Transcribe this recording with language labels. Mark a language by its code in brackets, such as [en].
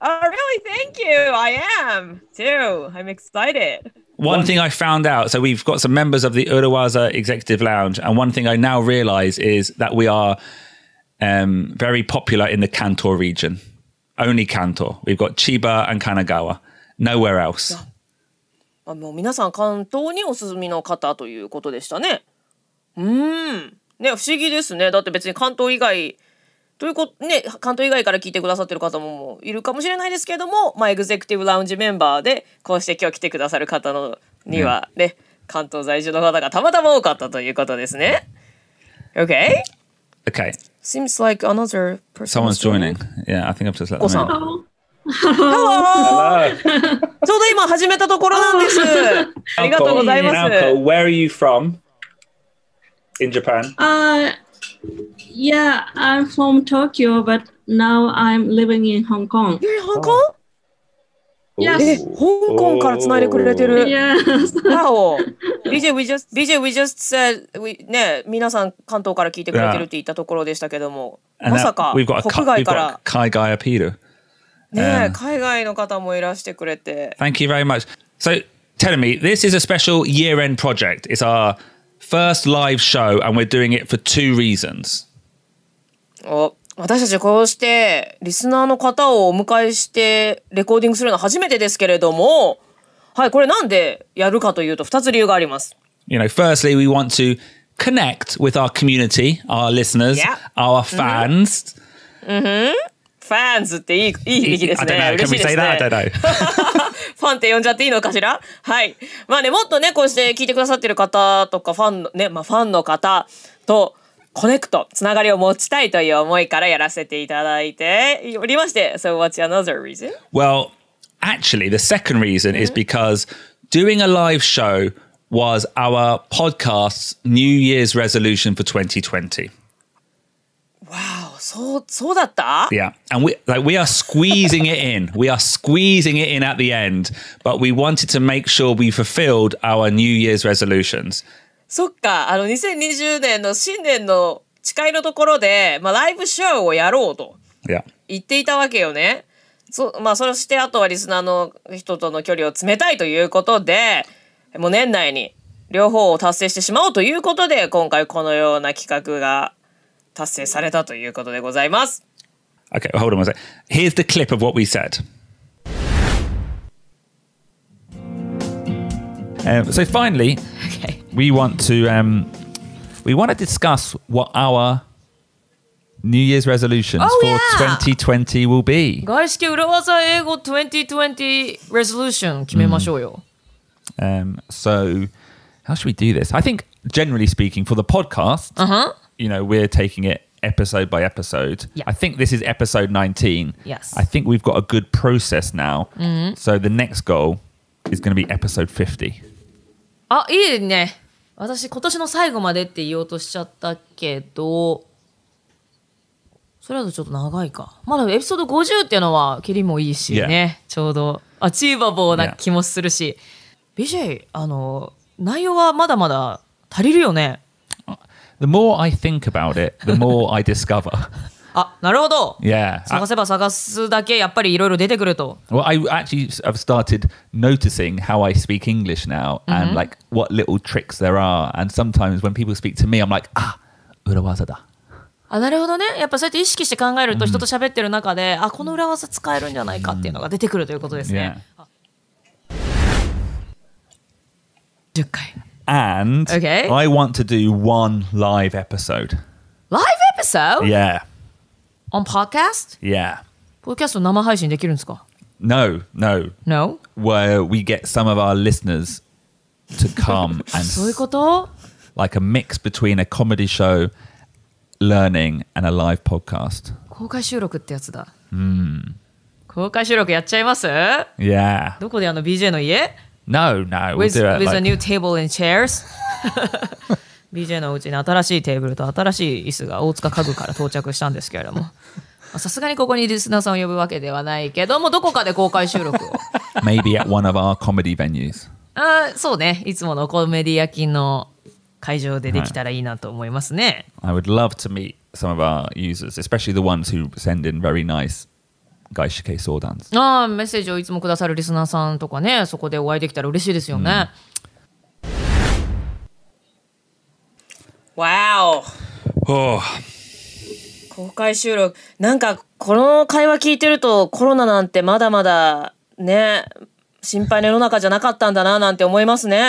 [en] Really, thank you. I am, too. I'm excited. One thing I found out, so we've got some members of the Urawaza Executive Lounge, and one thing I now realize is that we are... very popular in the Kanto region. Only Kanto. We've got Chiba and Kanagawa. Nowhere else. [ja] あ、もう皆さん関東にお住みの方ということでしたね。ね、不思議ですね。だって別に関東以外ということね、関東以外から聞いてくださってる方もいるかもしれないですけれども、まあ、エグゼクティブラウンジメンバーでこうして今日来てくださる方のにはね、関東在住の方がたまたま多かったということですね。 [en] Okay? Okay. Seems like another person. Someone's joining. Yeah, I think I've just let them in. Hello. Hello. Hello. Hello. Hello. Hello. Hello. Hello. Hello. Hello. Hello. Hello. Hello. Hello. Hello. Where are you from? In Japan? Yeah, I'm from Tokyo, but now I'm living in Hong Kong. You're in Hong Kong?、Oh. Yes. [ja] 香港からつないでくれてる。 [en] Yes. Wow. [ja] BJ, [en] we just said, [ja] ね、皆さん関東から聞いてくれてるって言ったところでしたけども、まさか国外から。 [en] We've got a Kai Guy appeal. [ja] ね、海外の方もいらしてくれて。 [en] Thank you very much. So, tell me, this is a special year-end project. It's our first live show, and we're doing it for two reasons. お私たちこうしてリスナーの方をお迎えしてレコーディングするのは初めてですけれども、はい、これなんでやるかというと2つ理由があります。 You know, firstly, we want to connect with our community, our listeners,、 yeah. our fans. Mm-hmm. [ja] Fans っていい、いい響きですね。 [en] I don't know. Can we say that? I don't know. [ja] ファンって呼んじゃっていいのかしら?はい。まあね、もっとね、こうして聞いてくださってる方とかファンの、ね、まあファンの方と、コネクト、つながりを持ちたいという思いからやらせていただいておりまして。 [en] So what's another reason? Well, actually, the second reason、mm-hmm. is because doing a live show was our podcast's New Year's resolution for 2020. Wow, [ja] そうだった? [en] Yeah, and we are squeezing it in. We are squeezing it in at the end. But we wanted to make sure we fulfilled our New Year's resolutions. [ja] そっか、あの2020年の新年の誓いのところで、まあ、ライブショーをやろうと言っていたわけよね。まあ、そしてあとはリスナーの人との距離を詰めたいということで、もう年内に両方を達成してしまおうということで、今回このような企画が達成されたということでございます。 [en] Okay, hold on one second. Here's the clip of what we said. So finally,We want to discuss what our New Year's resolutions、 oh, for、 yeah. 2020 will be. [ja] 外資系裏技英語2020 resolution 決めましょうよ。 [en] So how should we do this? I think generally speaking, for the podcast,、 uh-huh. you know, we're taking it episode by episode.、 Yeah. I think this is episode 19. Yes. I think we've got a good process now.、 Mm-hmm. So the next goal is going to be episode 50. [ja] あ、いいね。私、今年の最後までって言おうとしちゃったけど、それだとちょっと長いか。まあ、エピソード50っていうのは、キリもいいしね。 [en] Yeah. [ja] ちょうど、アチーバボーな気もするし。 [en] Yeah. [ja] BJ、内容はまだまだ足りるよね。 [en] The more I think about it, the more I discover. [ja] あ、なるほど。 [en] Yeah. [ja] 探せば探すだけ、やっぱりいろいろ出てくると。 [en] Well, I actually have started noticing how I speak English now, and like what little tricks there are. And sometimes when people speak to me, I'm like, ah, [ja] 裏技だ。あ、なるほどね。やっぱそうやって意識して考えると、人と喋ってる中で、あ、この裏技使えるんじゃないかっていうのが出てくるということですね。 [en] Yeah. [ja] 10回。 [en] And、 okay. I want to do one live episode. Live episode? Yeah. On podcast? Yeah. [ja] Podcast 生配信できるんですか？ [en] No, no. No? Where we get some of our listeners to come and... [ja] そういうこと？ [en] Like a mix between a comedy show... Learning and a live podcast. [ja] 公開収録ってやつだ。 Mm. 公開収録やっちゃいます？ [en] Yeah. [ja] どこで、あの BJ の家？ [en] No, no. With a new table and chairs. [ja] BJ のうちに新しいテーブルと新しい椅子が大塚家具から到着したんですけれども、さすがにここにリスナーさんを呼ぶわけではないけども、どこかで公開収録を。 [en] Maybe at one of our comedy venues. [ja] あ、そうね。いつものコメディアキンの。会場でできたらいいなと思いますね。 [en] I would love to meet some of our users, especially the ones who send in very nice [ja] 外資系相談。あ、メッセージをいつもくださるリスナーさんとかね、そこでお会いできたら嬉しいですよね。 [en] Wow! [ja] 公開収録。なんかこの会話聞いてると、コロナなんてまだまだね、心配の世の中じゃなかったんだななんて思いますね。